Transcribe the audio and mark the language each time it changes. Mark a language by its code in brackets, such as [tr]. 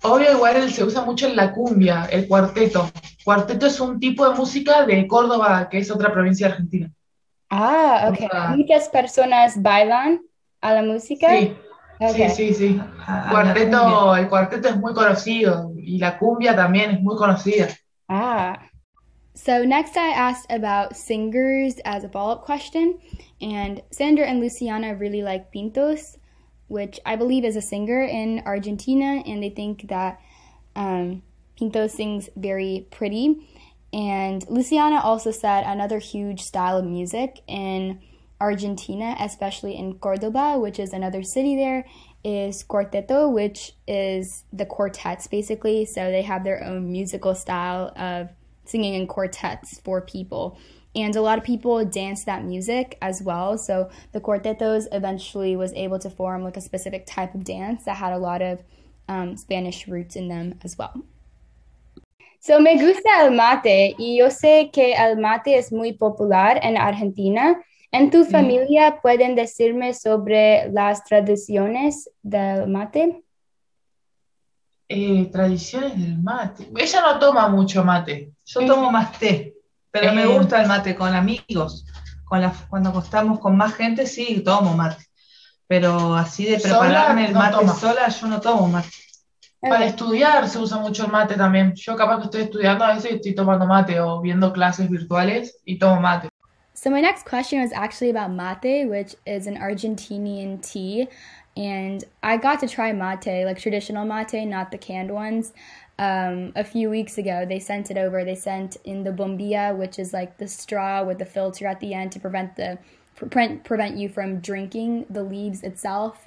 [es] Obvio, igual se usa mucho en la cumbia, el cuarteto. Cuarteto es un tipo de música de Córdoba, que es otra provincia argentina. Ah, ok. ¿Muchas personas bailan a la música? Sí, okay. Sí. Cuarteto, el cuarteto es muy conocido y la cumbia también es muy conocida. Ah. [en] So next I asked about singers as a follow-up question. And Sandra and Luciana really like Pintos, which I believe is a singer in Argentina, and they think that Pinto sings very pretty. And Luciana also said another huge style of music in Argentina, especially in Córdoba, which is another city there, is cuarteto, which is the quartets, basically. So they have their own musical style of singing in quartets for people. And a lot of people dance that music as well. So the cuartetos eventually was able to form like a specific type of dance that had a lot of Spanish roots in them as well. [es] So me gusta el mate. Y yo sé que el mate es muy popular en Argentina. ¿En tu familia pueden decirme sobre las tradiciones del mate? Tradiciones del mate. Ella no toma mucho mate. Yo tomo más té. Pero me gusta el mate con amigos, con la, cuando estamos con más gente, sí, tomo mate. Pero así de prepararme sola, el mate no sola, yo no tomo mate. Para estudiar se usa mucho el mate también. Yo capaz que estoy estudiando, a veces estoy tomando mate o viendo clases virtuales y tomo mate. [en] So my next question was actually about mate, which is an Argentinian tea. And I got to try mate, like traditional mate, not the canned ones. A few weeks ago, they sent it over. They sent in the bombilla, which is like the straw with the filter at the end to prevent the prevent you from drinking the leaves itself.